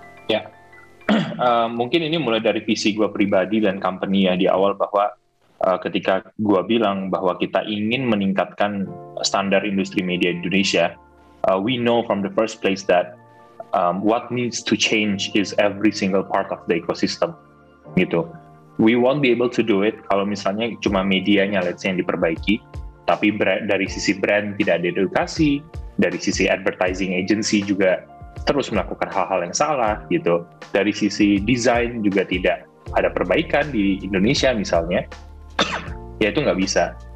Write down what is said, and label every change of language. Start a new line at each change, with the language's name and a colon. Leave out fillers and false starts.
Indonesian: Ya, mungkin ini mulai dari visi gue pribadi dan company ya di awal, bahwa ketika gue bilang bahwa kita ingin meningkatkan standar industri media Indonesia.
English: We know from the first place that what needs to change is every single part of the ecosystem,
Indonesian: gitu.
English: We won't be able to do it
Indonesian: kalau misalnya cuma medianya,
English: let's say,
Indonesian: yang diperbaiki, tapi dari sisi brand tidak ada edukasi, dari sisi advertising agency juga terus melakukan hal-hal yang salah, gitu. Dari sisi desain juga tidak ada perbaikan di Indonesia misalnya, ya itu nggak bisa.